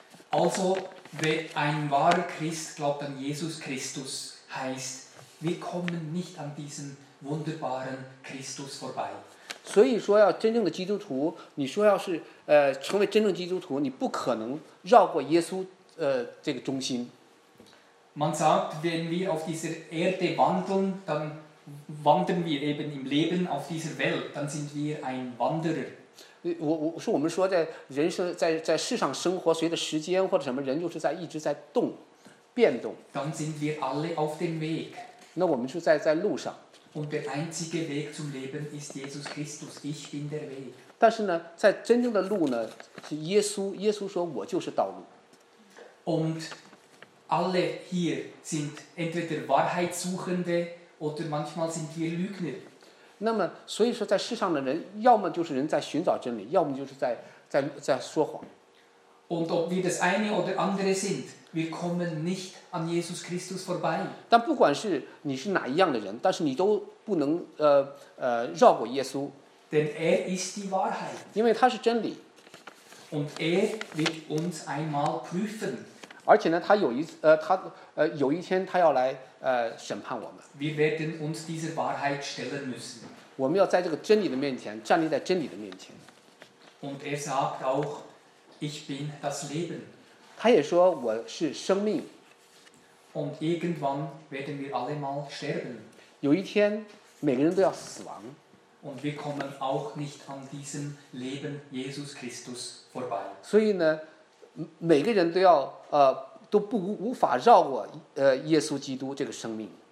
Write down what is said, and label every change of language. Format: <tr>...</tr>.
<de>Also, wer ein wahrer Christ glaubt an Jesus Christus, heißt, wir kommen nicht an diesem wunderbaren Christus vorbei.</de> <zh>所以说要真正的基督徒，你说要是成为真正基督徒，你不可能绕过耶稣这个中心。</zh> <de>Man sagt, wenn wir auf dieser Erde wandeln, dann wandern wir eben im Leben auf dieser Welt, dann sind wir ein Wanderer.</de> <zh>是我们说在人生 在世上生活随着时间或者什么人就是在一直在动变动</zh> <de>dann sind wir alle auf dem Weg.</de> <zh>那我们就 在路上</zh> <de>und der einzige Weg zum Leben ist Jesus Christus. Ich bin der Weg.</de> <zh>但是呢在真正的路呢是耶稣说我就是道路</zh> <de>und alle hier sind entweder Wahrheitssuchende oder manchmal sind wir Lügner.</de> <zh>那么所以说在世上的人要么就是人在寻找真理要么就是 在说谎</zh> <de>und ob wir das eine oder andere sind wir kommen nicht an Jesus Christus vorbei</de> <zh>但不管是你是哪一样的人但是你都不能绕过耶稣</zh> <de>denn er ist die Wahrheit</de> <zh>因为他是真理</zh> <de>und er wird uns einmal prüfen</de> <zh>而且呢他有一他有一天他要来审判我们</zh> <de>wir werden uns diese Wahrheit stellen müssen</de> <zh>我们要在这个真理的面前站立在真理的面前</zh> <de>und er sagt auch ich bin das Leben</de> <zh>他也说我是生命</zh> <de>und irgendwann werden wir alle mal sterben</de> <zh>有一天每个人都要死亡</zh> <de>und wir kommen auch nicht an diesem Leben Jesus Christus vorbei</de> <zh>所以呢每个人都要都不无法绕过耶稣基督这个生命。</zh>